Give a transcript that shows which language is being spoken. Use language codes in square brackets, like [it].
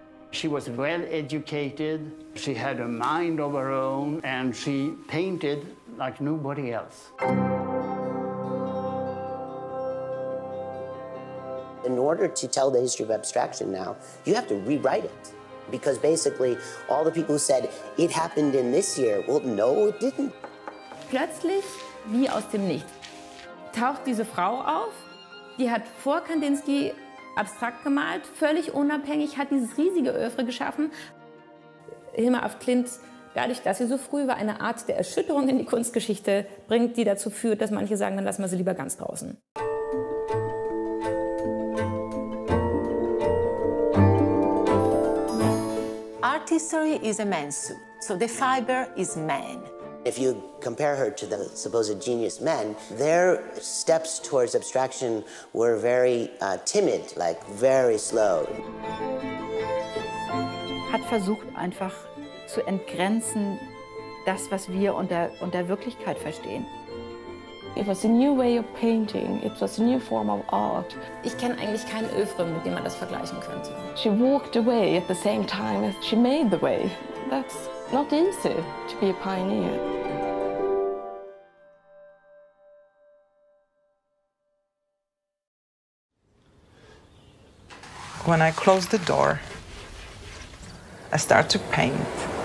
[en] She was well-educated, she had a mind of her own, and she painted like nobody else. In order to tell the history of abstraction now, you have to rewrite it. Because basically, all the people who said, it happened in this year, well, no, it didn't. [de] Plötzlich, wie aus dem Nichts, taucht diese Frau auf, die hat vor Kandinsky abstrakt gemalt, völlig unabhängig, hat dieses riesige Oeuvre geschaffen. Hilma af Klint, dadurch, dass sie so früh war, eine Art der Erschütterung in die Kunstgeschichte bringt, die dazu führt, dass manche sagen, dann lassen wir sie lieber ganz draußen. [en] Art history is a man's suit, so the fiber is man. If you compare her to the supposed genius men, their steps towards abstraction were very timid, like very slow. [de] Hat versucht einfach zu entgrenzen das, was wir unter Wirklichkeit verstehen. [en] It was a new way of painting. It was a new form of art. [de] Ich kenne eigentlich kein Oeuvre, mit dem man das vergleichen könnte. [en] She walked away at the same time as she made the way. That's not easy to be a pioneer. When I close the door, I start to paint.